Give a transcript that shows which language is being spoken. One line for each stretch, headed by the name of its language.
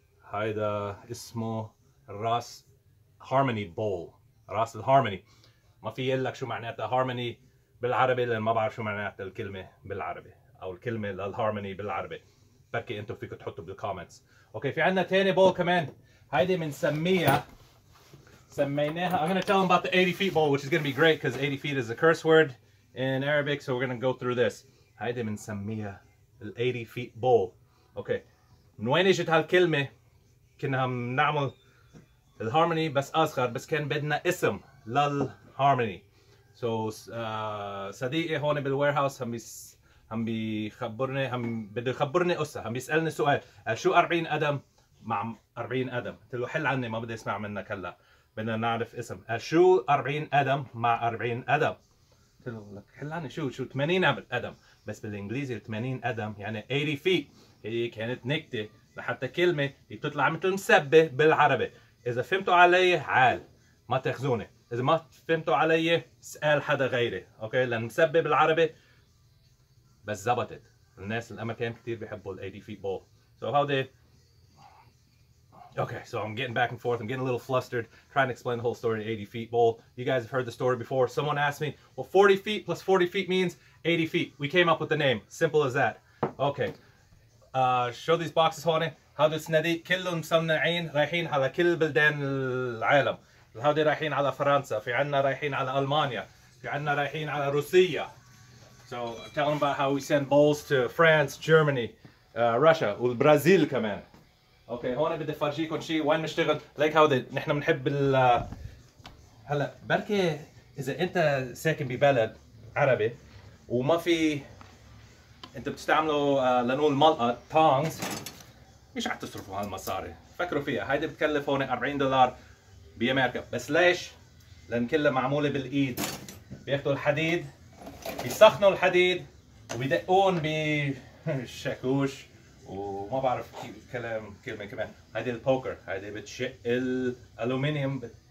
Arabic: هيدا اسمه راس هارموني بول. راس الهارموني ما في يقلك شو معناتها هارموني بالعربي لان ما بعرف شو معناتها الكلمه بالعربي او الكلمه للهارموني بالعربي بركي انتو فيكم تحطوا بالكومنتس. اوكي في عندنا ثاني بول كمان هيدي بنسميها سميناها
English: I'm gonna tell them about the 80 feet bowl which is gonna be great because 80 feet is a curse word in Arabic so we're gonna go through this.
Arabic: هيدي بنسميها ال 80 feet bowl. اوكي من وين اجت هالكلمه كنا بنعمل الهارموني بس اصغر بس كان بدنا اسم للهارموني. So صديقي هون بالوير هاوس بده يخبرني قصه، عم بيسالني سؤال، قال شو 40 قدم مع 40 قدم؟ قلت له حل عني ما بدي اسمع منك هلا، بدنا نعرف اسم، قال شو 40 قدم مع 40 قدم؟ قلت له لك حل عني شو 80 قدم، بس بالانجليزي 80 قدم يعني 80 feet، هي كانت نكته لحتى كلمه هي بتطلع مثل مسبه بالعربي. إذا فهمتوا علي عال ما تاخذوني، إذا ما فهمتوا علي اسأل حدا غيري، أوكي؟ لأن مسبب بالعربي بس زبطت، الناس الأمريكان كثير بيحبوا الـ 80 feet bowl.
English: So how they. Okay, so I'm getting back and forth, I'm getting a little flustered trying to explain the whole story of the 80 feet bowl. You guys have heard the story before. Someone asked me, well, 40 feet plus 40 feet means 80 feet. We came up with the name, simple as that. Okay, show these boxes, honey.
Arabic: هذا الصناديق كلهم مصنعين رايحين على كل بلدان العالم، هذا رايحين على فرنسا، في عنا رايحين على المانيا، في عنا رايحين على روسيا.
English: So I'm telling about how we send bowls to France, Germany, Russia,
Arabic: والبرازيل كمان. Okay, هون بدي افرجيكم شيء وين بنشتغل، ليك هودا نحن بنحب ال هلا بركي إذا أنت ساكن ببلد عربي وما في أنت بتستعملوا لنقول ملقط تونجز مش رح تصرفوا هالمصاري، فكروا فيها، هيدي بتكلف هون 40 دولار بامريكا، بس ليش؟ لان كلها معموله بالايد، بياخذوا الحديد بيسخنوا الحديد وبيدقون بشاكوش وما بعرف كيف كلام كلمه كمان، هيدي البوكر، هيدي بتشق الالومنيوم